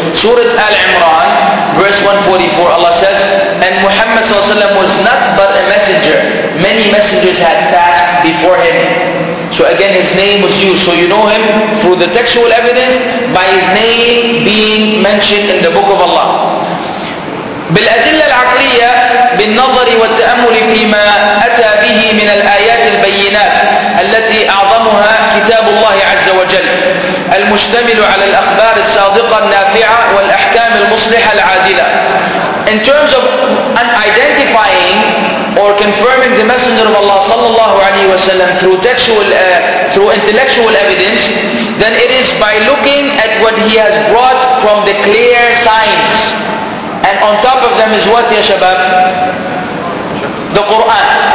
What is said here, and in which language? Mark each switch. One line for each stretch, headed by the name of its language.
English: Surah Al-Imran, verse 144, Allah says, and Muhammad sallallahu alayhi wa sallam was not but a messenger. Many messengers had passed before him. So again, his name was used. So you know him through the textual evidence by his name being mentioned in the book of Allah.
Arabic: بالأدلة العقلية بالنظر والتأمل فيما أتى به من الآيات البينات التي أعظمها كتاب الله عز وجل المشتمل على الأخبار الصادقة النافعة والأحكام المصلحة العادلة.
English: In terms of identifying or confirming the Messenger of Allah sallallahu alaihi wasallam through textual, through intellectual evidence, then it is by looking at what he has brought from the clear signs. And on top of them is what, ya shabab? The Quran.